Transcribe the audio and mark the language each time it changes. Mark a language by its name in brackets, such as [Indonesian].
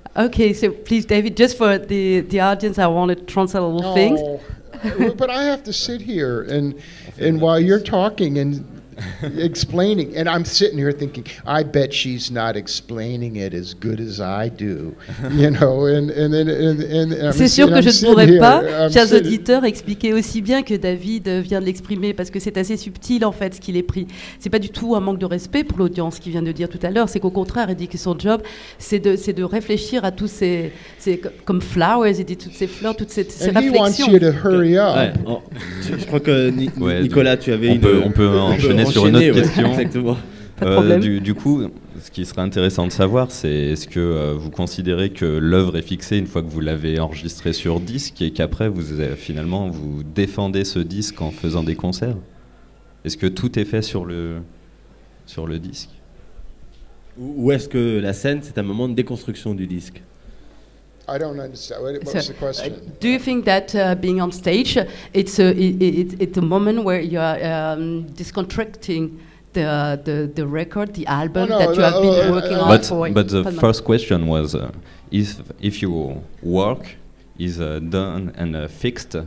[English] Okay, so please, David, just for the audience, I want to translate a little things. But I have to sit here and while you're talking and explaining, and I'm sitting here thinking, I bet she's not explaining it as good as I do, you know. And [French] c'est sûr que je ne pourrais pas, chers auditeurs, expliquer aussi bien que David vient de l'exprimer, parce que c'est assez subtil en fait ce qu'il est pris. C'est pas du tout un manque de respect pour l'audience qu'il vient de dire tout à l'heure. C'est qu'au contraire, il dit que son job, c'est de réfléchir à tous ces comme [English] flowers, [French] il dit toutes ces fleurs, toutes ces réflexions. [English] And he wants you to hurry up. [French] Ouais. Je crois que Nicolas, tu avais sur une autre question. Exactement. Du coup, ce qui serait intéressant de savoir, c'est est-ce que vous considérez que l'œuvre est fixée une fois que vous l'avez enregistrée sur disque et qu'après, vous défendez ce disque en faisant des concerts ? Est-ce que tout est fait sur le disque ? Ou est-ce que la scène, c'est un moment de déconstruction du disque ? [English] I don't understand. What's the question? Do you think that being on stage, it's a moment where you are discontracting the record, the album that you have been working on for? But the first question was, if your work is done and fixed...